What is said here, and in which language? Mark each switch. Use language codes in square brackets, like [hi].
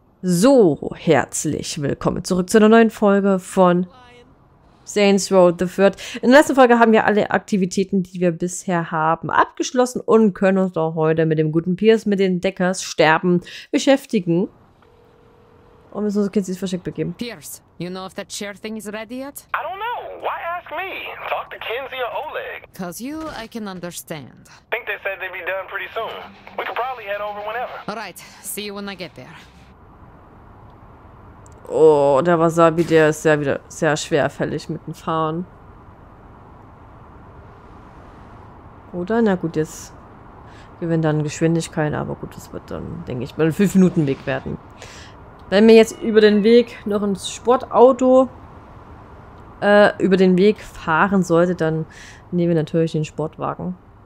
[de] So, herzlich willkommen zurück zu einer neuen Folge von Saints Row the Third. In der letzten Folge haben wir alle Aktivitäten, die wir bisher haben, abgeschlossen und können uns auch heute mit dem guten Pierce, mit den Deckers sterben, beschäftigen. Und müssen unsere Kids ins Versteck begeben. [en] Pierce, you know if that chair thing is ready yet? I don't know. Why ask me? Talk to Kinsey or Oleg. Cause you, I can understand. I think they said they'd be done pretty soon. We could probably head over whenever. Alright, see you when I get there. [de] Oh, der Wasabi, der ist ja wieder sehr schwerfällig mit dem Fahren. Oder? Na gut, jetzt gewinnen dann Geschwindigkeiten, aber gut, das wird dann, denke ich, mal ein 5-Minuten-Weg werden. Wenn wir jetzt über den Weg noch ins Sportauto über den Weg fahren sollte, dann nehmen wir natürlich den Sportwagen.